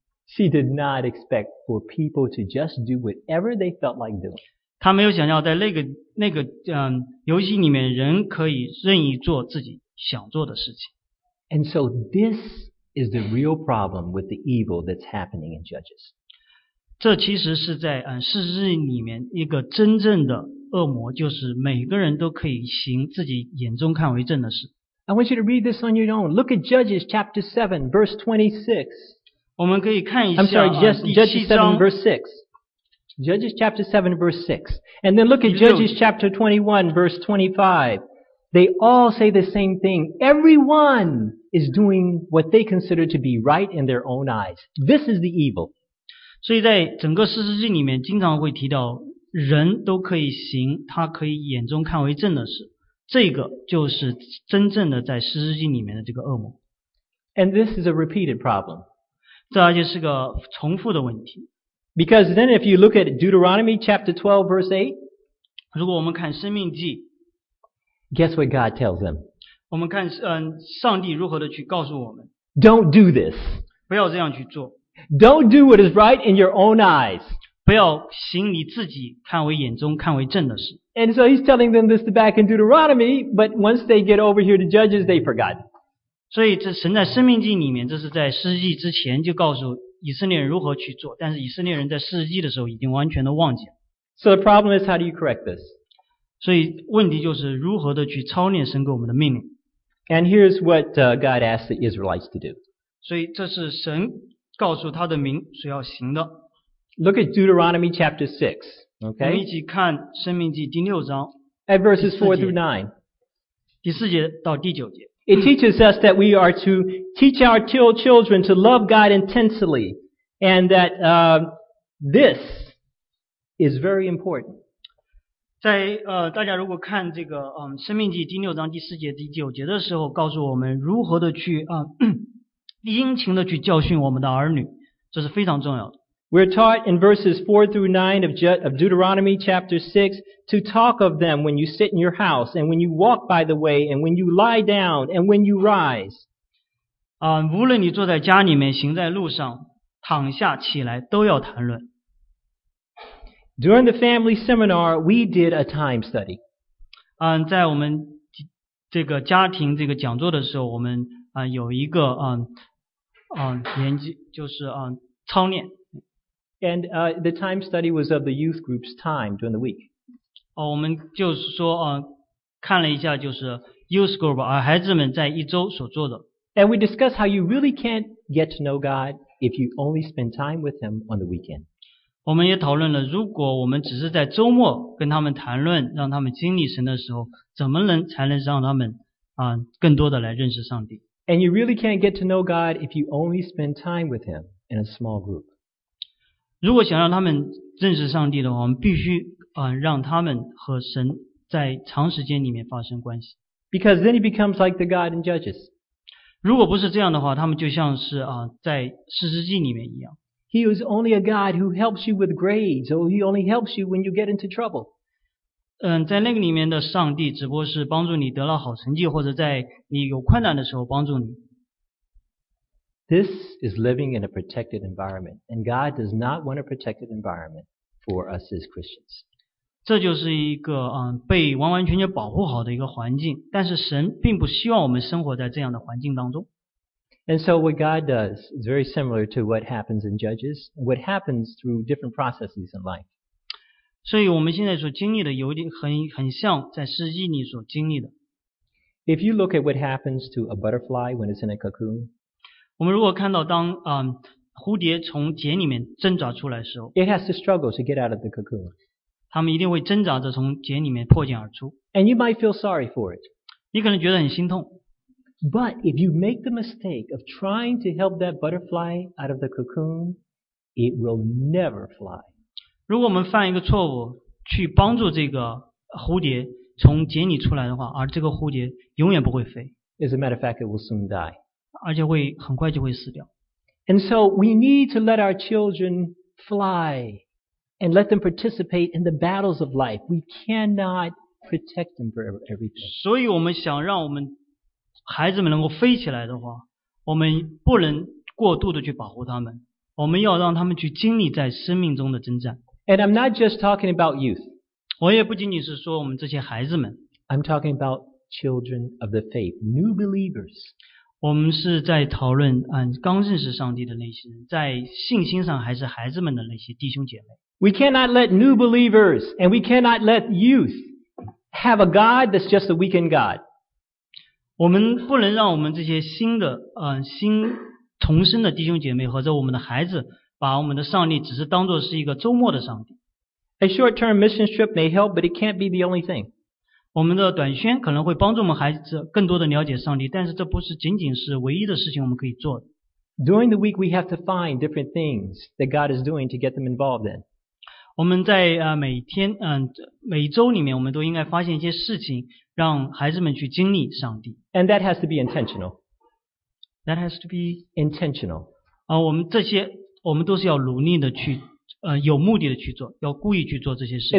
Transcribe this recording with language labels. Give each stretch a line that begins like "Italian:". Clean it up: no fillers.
English: She did not expect for people to just do whatever they felt like doing.
Chinese: 她没有想要在游戏里面人可以任意做自己想做的事情。
English: And so this is the real problem with the evil that's happening in Judges.
Chinese: 这其实是在世事里面一个真正的恶魔，就是每个人都可以行自己眼中看为正的事。
English: I want you to read this on your own. Look at Judges chapter 7, verse 26.
Chinese: 我们可以看一下。
English: I'm sorry, Judges 7, verse 6. Judges chapter 7, verse 6. And then look at Judges chapter 21, verse 25. They all say the same thing. Everyone is doing what they consider to be right in their own eyes. This is the evil.
Chinese: 所以在整个士师记里面经常会提到人都可以行他可以眼中看为正的事。这个就是真正的在士师记里面的这个恶魔。
English: And this is a repeated problem.
Chinese: 这而且是个重复的问题。
English: Because then if you look at Deuteronomy chapter 12 verse 8,
Chinese: 如果我们看生命记,
English: guess what God tells them?
Chinese: 我们看上帝如何的去告诉我们。
English: Don't do this.
Chinese: 不要这样去做。
English: Don't do what is right in your own eyes.
Chinese: 不要行你自己看为眼中看为正的事。
English: And so he's telling them this back in Deuteronomy, but once they get over here to Judges, they forgot.
Chinese: 所以这神在生命记里面，这是在士师记之前就告诉以色列人如何去做，但是以色列人在士师记的时候已经完全的忘记了。
English: So the problem is how do you correct this?
Chinese: 所以问题就是如何的去操练神给我们的命令。
English: And here's what God asked the Israelites to do.
Chinese: 所以这是神告诉他的民所要行的。
English: Look at Deuteronomy chapter 6. Okay.
Chinese: 我们一起看生命记第六章。
English: At verses 4 through 9.
Chinese: 第四节到第九节。
English: It teaches us that we are to teach our children to love God intensely, and that this is very important.
Chinese: 在大家如果看这个生命记第六章第四节第九节的时候，告诉我们如何的去殷勤的去教训我们的儿女，这是非常重要的。
English: We're taught in verses 4 through 9 of Deuteronomy chapter 6 to talk of them when you sit in your house and when you walk by the way and when you lie down and when you rise.
Chinese: 无论你坐在家里面行在路上躺下起来都要谈论。
English: During the family seminar, we did a time study.
Chinese: 在我们这个家庭这个讲座的时候我们有一个研究就是操练。
English: And the time study was of the youth group's time during the week.
Chinese: 我们就是说看了一下就是
English: youth group
Chinese: 孩子们在一周所做的。
English: And we discussed how you really can't get to know God if you only spend time with him on the weekend.
Chinese: 我们也讨论了如果我们只是在周末跟他们谈论让他们经历神的时候怎么能才能让他们更多的来认识上帝。
English: And you really can't get to know God if you only spend time with him in a small group.
Chinese: 如果想让他们认识上帝的话我们必须让他们和神在长时间里面发生关系。
English: Because then he becomes like the God in Judges.
Chinese: 如果不是这样的话他们就像是在士师记里面一样。
English: He is only a God who helps you with grades, or he only helps you when you get into trouble.
Chinese: 在那个里面的上帝只不过是帮助你得到好成绩或者在你有困难的时候帮助你。
English: This is living in a protected environment, and God does not want a protected environment for us as Christians.
Chinese: 这就是一个被完完全全保护好的一个环境，但是神并不希望我们生活在这样的环境当中。
English: And so what God does is very similar to what happens in Judges, what happens through different processes in life.
Chinese: 所以我们现在所经历的有点很像在士师记里所经历的。
English: If you look at what happens to a butterfly when it's in a cocoon,
Chinese: 我们如果看到当蝴蝶从茧里面挣扎出来的时候
English: It has to struggle to get out of the cocoon.
Chinese: 他们一定会挣扎着从茧里面破茧而出。
English: And you might feel sorry for it.
Chinese: 你可能觉得很心痛。
English: But if you make the mistake of trying to help that butterfly out of the cocoon, it will never fly.
Chinese: 如果我们犯一个错误去帮助这个蝴蝶从茧里出来的话而这个蝴蝶永远不会飞。
English: As a matter of fact, it will soon die.
Chinese: 而且会很快就会死掉。
English: And so we need to let our children fly and let them participate in the battles of life. We cannot protect them for everything.
Chinese: 所以我们想让我们孩子们能够飞起来的话，我们不能过度的去保护他们，我们要让他们去经历在生命中的征战。
English: And I'm not just talking about youth.
Chinese: 我也不仅仅是说我们这些孩子们。
English: I'm talking about children of the faith, new believers.
Chinese: 我们是在讨论刚认识上帝的那些人，在信心上还是孩子们的那些弟兄姐妹。
English: We cannot let new believers and we cannot let youth have a God that's just a weakened God.
Chinese: 我们不能让我们这些新的新重生的弟兄姐妹或者我们的孩子把我们的上帝只是当作是一个周末的上帝。
English: A short-term mission trip may help, but it can't be the only thing.
Chinese: 我们的短宣可能会帮助我们孩子更多的了解上帝，但是这不是仅仅是唯一的事情我们可以做的。
English: During the week, we have to find different things that God is doing to get them involved in.
Chinese: 我们在每天每周里面，我们都应该发现一些事情，让孩子们去经历上帝。
English: And that has to be intentional. That has to be intentional.
Chinese: 我们这些我们都是要努力的去有目的的去做，要故意去做这些事情。